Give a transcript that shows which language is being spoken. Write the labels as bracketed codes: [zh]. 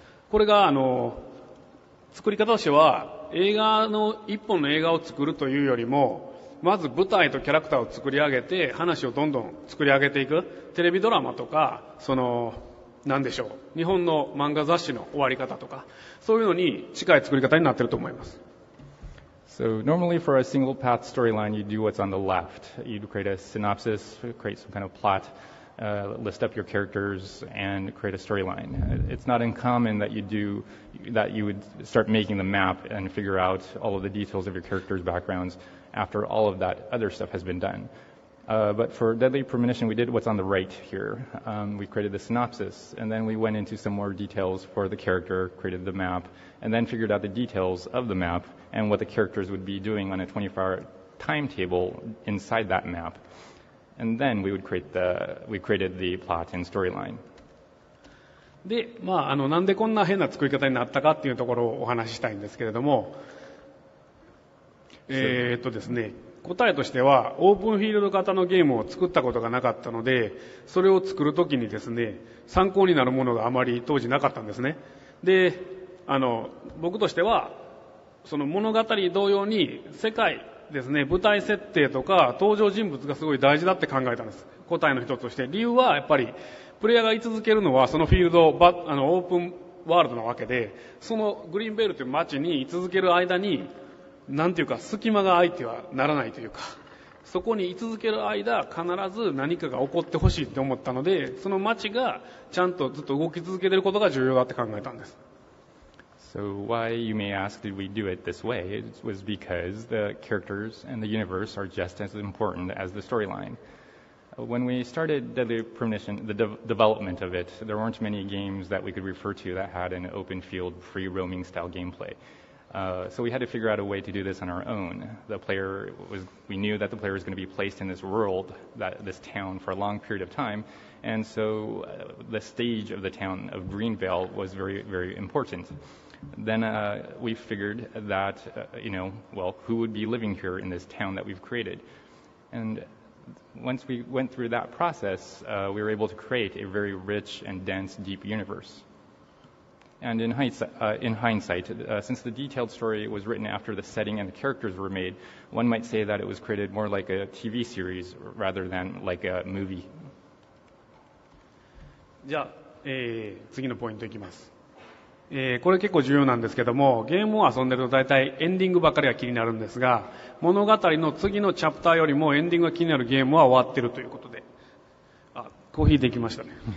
[ja] これが作り方としては映画の一本の映画を作るというよりも、まず舞台とキャラクターを作り上げて話をどんどん作り上げていく、テレビドラマとかその何でしょう、日本の漫画雑誌の終わり方とか、そういうのに近い作り方になっていると思います。 [en] So normally for a single path storyline, you do what's on the left. You create a synopsis, create some kind of plot, list up your characters, and create a storyline. It's not uncommon that you would start making the map and figure out all of the details of your characters' backgrounds after all of that other stuff has been done. But for Deadly Premonition, we did what's on the right here. We created the synopsis, and then we went into some more details for the character, created the map, and then figured out the details of the map. And what the characters would be doing on a 24-hour timetable inside that map. And then we would create we created the plot and storyline. [ja] で、まあ、あの、なんでこんな変な作り方になったかっていうところをお話ししたいんですけれども、ですね、答えとしてはオープンフィールド型のゲームを作ったことがなかったので、それを作るときにですね、参考になるものがあまり当時なかったんですね。で、あの、僕としてはその物語同様に世界ですね、舞台設定とか登場人物がすごい大事だって考えたんです、答えの一つとして。理由はやっぱりプレイヤーが居続けるのはそのフィールド、あの、オープンワールドなわけで、そのグリーンベールという街に居続ける間に、なんていうか隙間が空いてはならないというか、そこに居続ける間必ず何かが起こってほしいと思ったので、その街がちゃんとずっと動き続けていることが重要だって考えたんです。 [en] So why, you may ask, did we do it this way? It was because the characters and the universe are just as important as the storyline. When we started Deadly Premonition, the development of it, there weren't many games that we could refer to that had an open field, free roaming style gameplay. So we had to figure out a way to do this on our own. We knew that the player was going to be placed in this world, this town, for a long period of time. And so the stage of the town of Greenvale was very, very important. Then we figured that, you know, well, who would be living here in this town that we've created? And once we went through that process, we were able to create a very rich and dense, deep universe. And in hindsight, since the detailed story was written after the setting and the characters were made, one might say that it was created more like a TV series rather than like a movie. [ja] じゃあ、次のポイントいきます。これ結構重要なんですけども、ゲームを遊んでると大体エンディングばかりが気になるんですが、物語の次のチャプターよりもエンディングが気になるゲームは終わってるということで、あ、コーヒーできましたね。